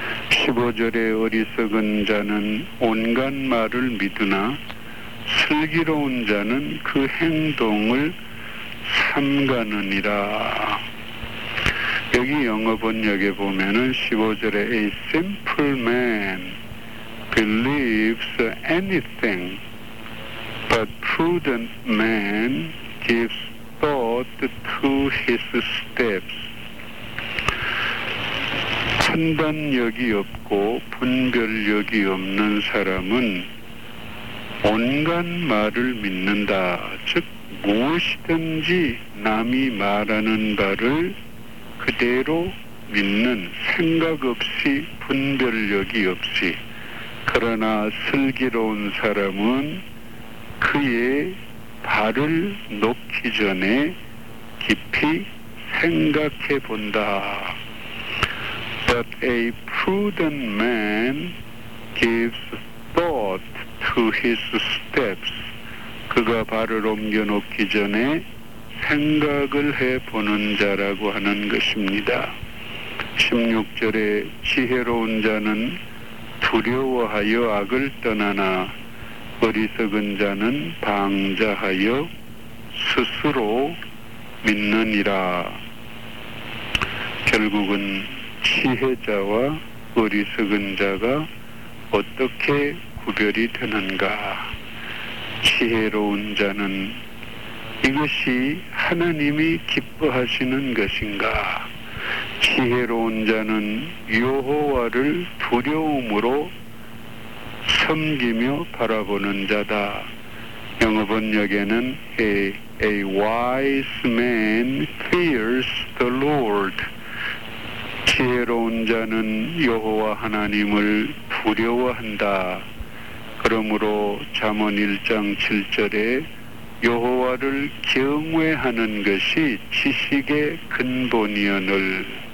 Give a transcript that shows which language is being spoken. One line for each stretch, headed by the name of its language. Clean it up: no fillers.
Korean: 15절에 어리석은 자는 온갖 말을 믿으나 슬기로운 자는 그 행동을 삼가느니라. 여기 영어 번역에 보면은 15절에
English: A simple man believes anything, but prudent man gives thought to his steps.
Korean: 판단력이 없고 분별력이 없는 사람은 온갖 말을 믿는다. 즉 무엇이든지 남이 말하는 바를 그대로 믿는, 생각 없이 분별력이 없이. 그러나 슬기로운 사람은 그의 발을 놓기 전에 깊이 생각해 본다.
English: But a prudent man gives thought to his steps.
Korean: 그가 발을 옮겨 놓기 전에 생각을 해 보는 자라고 하는 것입니다. 16절에 지혜로운 자는 두려워하여 악을 떠나나 어리석은 자는 방자하여 스스로 믿느니라. 결국은 지혜자와 어리석은 자가 어떻게 구별이 되는가? 지혜로운 자는 이것이 하나님이 기뻐하시는 것인가? 지혜로운 자는 여호와를 두려움으로 섬기며 바라보는 자다. 영어 번역에는
English: A wise man fears the Lord.
Korean: 지혜로운 자는 여호와 하나님을 두려워한다. 그러므로 잠언 1장 7절에 여호와를 경외하는 것이 지식의 근본이어늘.